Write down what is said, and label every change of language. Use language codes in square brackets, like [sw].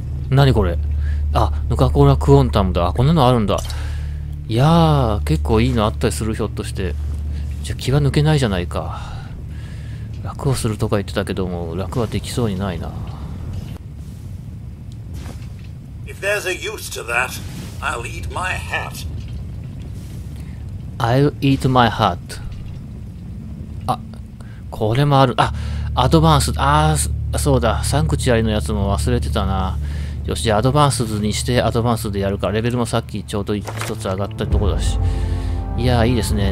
[ja] 何これ？あ、ヌカコーラクオンタムだ。あ、こんなのあるんだ。いやー、結構いいのあったりする、ひょっとして。じゃあ気は抜けないじゃないか。楽をするとか言ってたけども、楽はできそうにないな。 [en] If there's a use to that, I'll eat my hat. I'll eat my hat. [ja] あ、これもある。あ、アドバンス。あ、そうだ。サンクチュアリのやつも忘れてたな。よし、アドバンスにしてアドバンスでやるか。レベルもさっきちょうど一つ上がったとこだし。いやー、いいですね。